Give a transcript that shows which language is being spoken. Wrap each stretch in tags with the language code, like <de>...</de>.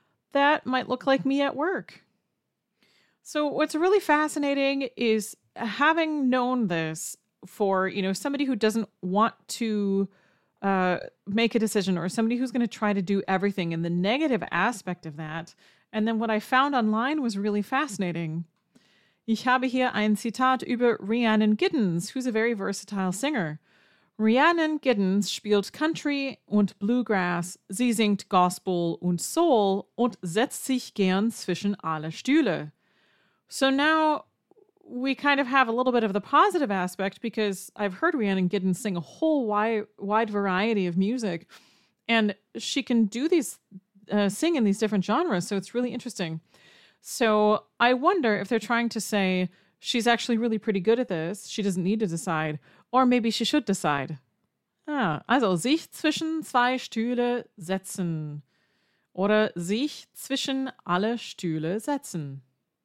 <en>That might look like me at work. So what's really fascinating is having known this for, you know, somebody who doesn't want to make a decision or somebody who's going to try to do everything and the negative aspect of that. And then what I found online was really fascinating.</en> <de>Ich habe hier ein Zitat über Rhiannon Giddens,</de> <en>who's a very versatile singer.</en> <de>Rhiannon Giddens spielt Country und Bluegrass. Sie singt Gospel und Soul und setzt sich gern zwischen alle Stühle.</de> <en>So now we kind of have a little bit of the positive aspect because I've heard Rhiannon Giddens sing a whole wide variety of music and she can do these, sing in these different genres. So it's really interesting. So I wonder if they're trying to say she's actually really pretty good at this. She doesn't need to decide or maybe she should decide.</en> <de>Ah, also sich zwischen zwei Stühle setzen oder sich zwischen alle Stühle setzen.</de>